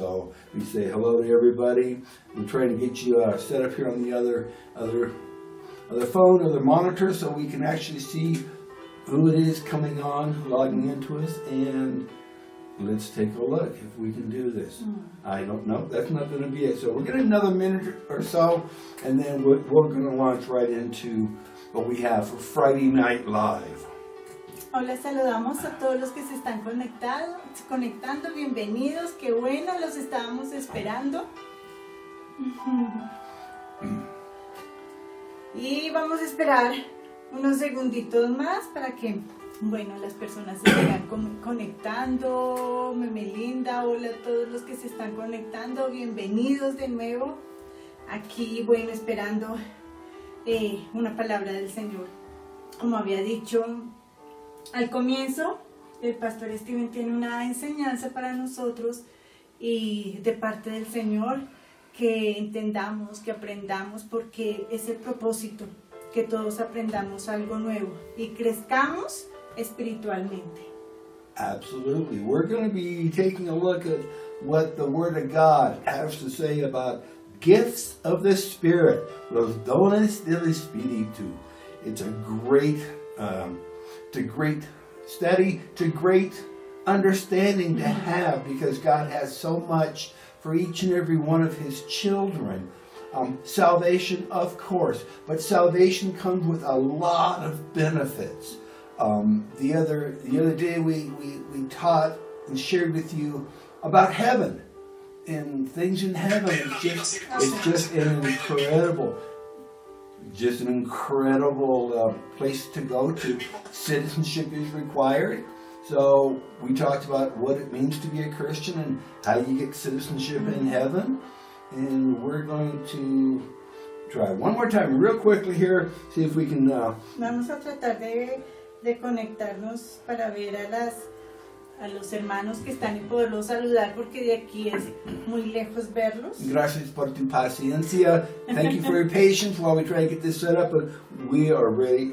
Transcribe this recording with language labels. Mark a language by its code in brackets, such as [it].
[en] So we say hello to everybody. We're trying to get you set up here on the other phone, other monitor, so we can actually see who it is coming on, logging into us, and let's take a look if we can do this. Mm-hmm. I don't know. That's not going to be it. So we'll get another minute or so, and then we're going to launch right into what we have for Friday Night Live. [es] Hola, saludamos a todos los que se están conectando, bienvenidos, qué bueno, los estábamos esperando. Y vamos a esperar unos segunditos más para que, bueno, las personas se vayan conectando. Meme Linda, hola a todos los que se están conectando, bienvenidos de nuevo. Aquí, bueno, esperando una palabra del Señor. Como había dicho al comienzo, el pastor Steven tiene una enseñanza para nosotros y de parte del Señor, que entendamos, que aprendamos, porque es el propósito, que todos aprendamos algo nuevo y crezcamos espiritualmente. [en] Absolutely. We're going to be taking a look at what the Word of God has to say about gifts of the Spirit, [es] los dones del Espíritu. [en] It's a great to great study, to great understanding to have, because God has so much for each and every one of His children. Salvation, of course, but salvation comes with a lot of benefits. The other day we taught and shared with you about heaven. and things in heaven. It's just an incredible, just an incredible place to go to. Citizenship is required. So we talked about what it means to be a Christian and how you get citizenship mm-hmm. in heaven. And we're going to try one more time real quickly here, see if we can... [es] Vamos a tratar de conectarnos para ver a los hermanos que están y poderlos saludar, porque de aquí es muy lejos verlos. Gracias por tu paciencia. [en] Thank you for your patience while we try to get this set up, but we are ready.